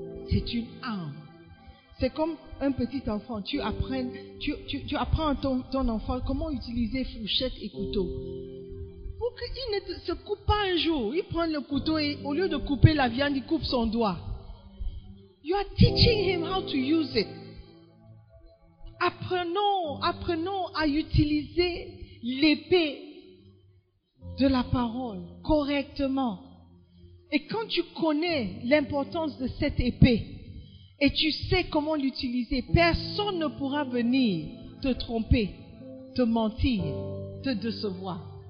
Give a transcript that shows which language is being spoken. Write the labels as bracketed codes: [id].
[fr] C'est une arme. C'est comme un petit enfant. Tu apprends à ton enfant comment utiliser fourchette et couteau. Pour qu'il ne se coupe pas un jour, il prend le couteau et au lieu de couper la viande, il coupe son doigt. [en] You are teaching him how to use it. [fr] Apprenons à utiliser l'épée de la parole correctement. Et quand tu connais l'importance de cette épée et tu sais comment l'utiliser, personne ne pourra venir te tromper, te mentir, te décevoir.